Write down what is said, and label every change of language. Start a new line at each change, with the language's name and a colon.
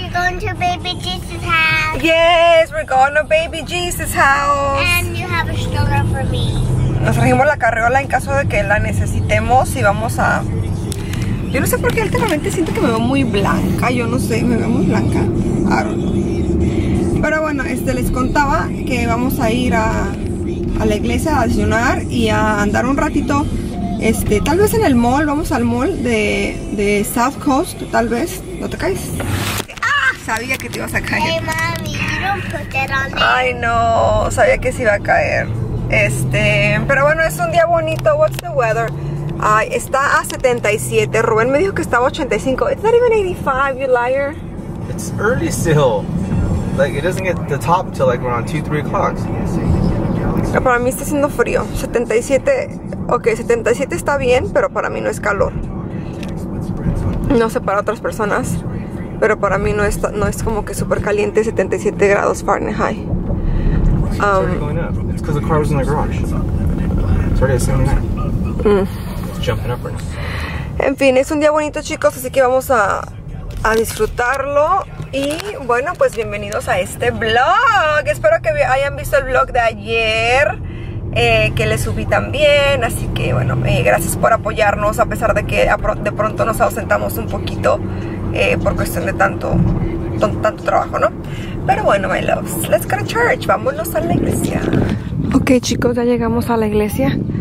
English: Hi, you're going to Baby Jesus' house. Yes, we're going to Baby Jesus' house. And you have a stroller for me.
Spanish: Nos trajimos la carriola en caso de que la necesitemos y vamos a... Yo no sé por qué últimamente siento que me veo muy blanca. Yo no sé, me veo muy blanca. Pero bueno, les contaba que vamos a ir a la iglesia a desayunar y a andar un ratito. Tal vez en el mall, vamos al mall de South Coast, tal vez. ¿No te caes? ¡Ah! Sabía que te ibas a caer.
English: Hey, mami, you don't put that on there.
Spanish: Ay, no, sabía que se iba a caer. Pero bueno, es un día bonito.
English: What's the weather?
Spanish: Está a 77. Rubén me dijo que estaba 85.
English: It's not even 85, you liar. It's early still. Like, it doesn't get the top till like around 2, 3 o'clock.
Spanish: Pero para mí está haciendo frío. 77, ok, 77 está bien, pero para mí no es calor. No sé para otras personas, pero para mí no, está, no es como que súper caliente, 77 grados Fahrenheit.
English: It's because the car was in the garage. It's already at 79. It's jumping up right now.
Spanish: En fin, es un día bonito, chicos, así que vamos a disfrutarlo. Y bueno, pues bienvenidos a este vlog. Espero que hayan visto el vlog de ayer, que les subí también. Así que bueno, gracias por apoyarnos a pesar de que de pronto nos ausentamos un poquito por cuestión de tanto trabajo, ¿no? Pero bueno,
English: my loves, let's go to church.
Spanish: Vámonos a la iglesia. Ok, chicos, ya llegamos a la iglesia.